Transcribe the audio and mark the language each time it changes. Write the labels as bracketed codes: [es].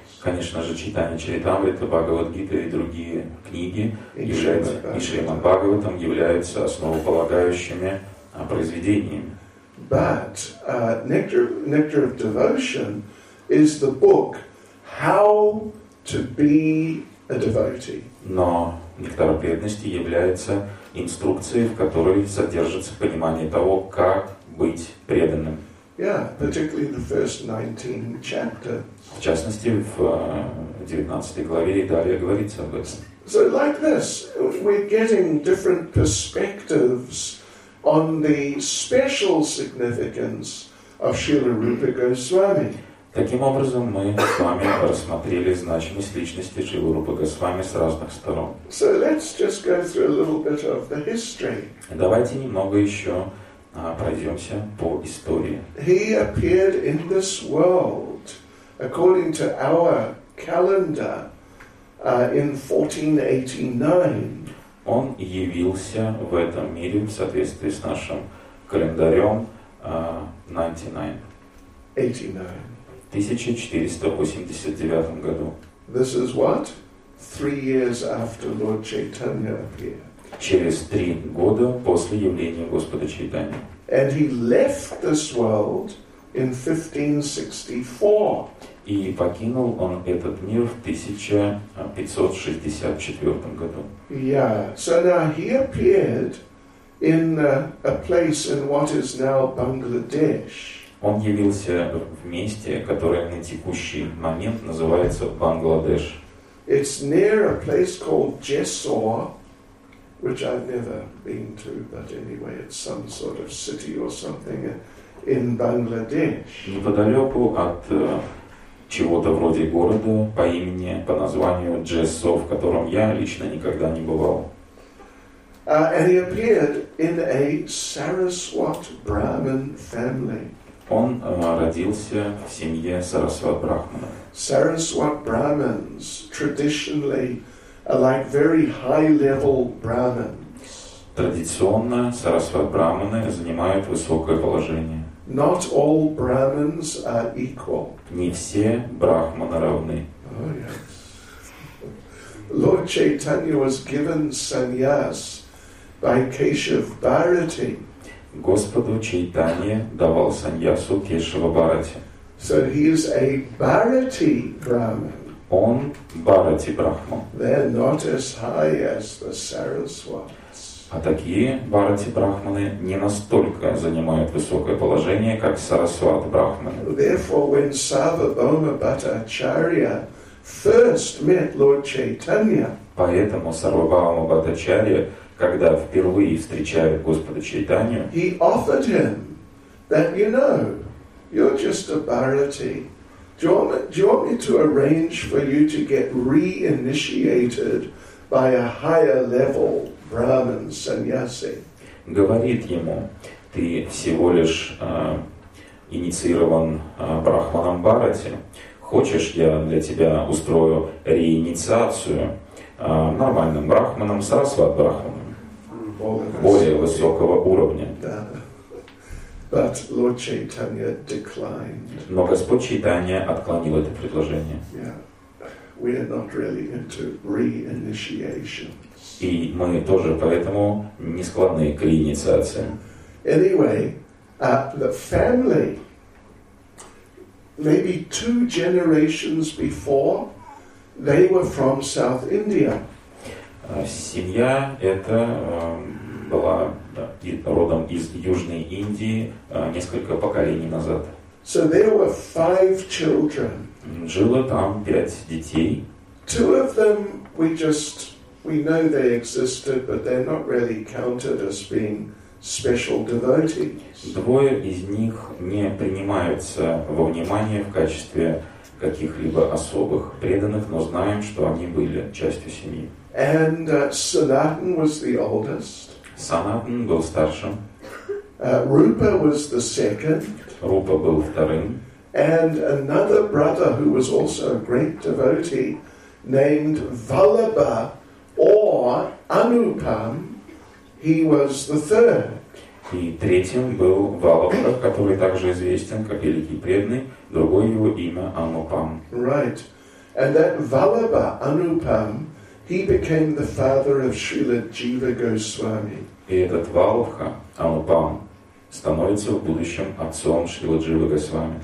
[ru] Конечно же, читание Чаритамриты, Бхагавад-гиты и другие книги и Шримад Бхагаватам являются основополагающими произведениями. [en] But Nectar of Devotion is the book How to Be a Devotee. [ru] Но Нектар преданности является инструкции, в которой содержится понимание того, как быть преданным. [en] Yeah, particularly the first 19 chapters. [ru] В частности, в 19 главе и далее говорится об этом. [en] So like this, we're getting different perspectives on the special significance of Srila Rupa Goswami. [ru] Таким образом, мы с вами рассмотрели значимость личности Шрилы Рупы Госвами с разных сторон. [en] So let's just go through a little bit of the history. [ru] Давайте немного еще пройдемся по истории. [en] He appeared in this world, according to our calendar, in 1489. [ru] Он явился в этом мире в соответствии с нашим календарем 1489 году. [en] This is what? 3 years after Lord Chaitanya appeared. [ru] Через 3 года после явления Господа Чайтаньи. [en] And he left this world in 1564. [ru] И покинул он этот мир в 1564 году. [en] Yeah. So now he appeared in a place in what is now Bangladesh. [ru] Он явился в месте, которое на текущий момент называется Бангладеш. [en] It's near a place called Jessore, which I've never been to, but anyway, it's some sort of city or something in Bangladesh. [ru] Неподалеку от чего-то вроде города по имени, по названию Jessore, в котором я лично никогда не бывал. [en] And he appeared in a Saraswat Brahmin family. [ru] Он родился в семье Сарасват Брахмана. Сарасват Брахманы традиционно [en] like very high level Brahmins. [ru] Традиционно Сарасват Брахманы занимают высокое положение. [en] Not all Brahmins are equal. [ru] Не все брахманы равны. [en] Lord Chaitanya was given sannyas by Keshav Bharati. [ru] Господу Чайтанья давал саньясу Кешава Бхарати. [en] So he is a Bharati Brahman. [ru] Он Бхарати Брахман. [en] They're not as high as the Сарасватс. [ru] А такие Бхарати Брахманы не настолько занимают высокое положение, как Сарасват Брахманы. [en] Therefore, when Sarvabhauma Bhattacharya first met Lord Chaitanya, [ru] поэтому Сарвабхаума Бхаттачарья, когда впервые встречает Господа Чайтанью, [en] he offered him that, you know, you're just a Bharati. Do you want me to arrange for you to get re-initiated by a higher level Brahmin sannyasi? [ru] Говорит ему, ты всего лишь инициирован Брахманом Бхарати. Хочешь, я для тебя устрою реинициацию нормальным брахманом, Сарасват брахманом? Более высокого уровня. [en] But Lord Chaitanya declined. [ru] Но Господь Чайтанья отклонил это предложение. [en] Yeah. We are not really into re-initiations. [ru] И мы тоже поэтому не склонны к реинициации. [en] Anyway, the family, maybe two generations before, they were from South India. [ru] Семья это была родом из Южной Индии несколько поколений назад. [en] So there were five children. [ru] Жило там пять детей. [en] Two of them we know they existed, but they're not really counted as being special devotees. [ru] Двое из них не принимаются во внимание в качестве каких-либо особых преданных, но знаем, что они были частью семьи. [en] And Sanatan was the oldest. [ru] Sanatan был старшим. [en] Rupa was the second. [ru] Rupa был вторым. [en] And another brother who was also a great devotee named Vallabha or Anupam, he was the third. [ru] И третьим был Валабха, который также известен как великий преданный, другое его имя Анупам. [en] Right. And that Vallabha Anupam, he became the father of Srila Jiva Goswami. [ru] И этот Валабха Анупам становится в будущем отцом Шрила Джива Госвами.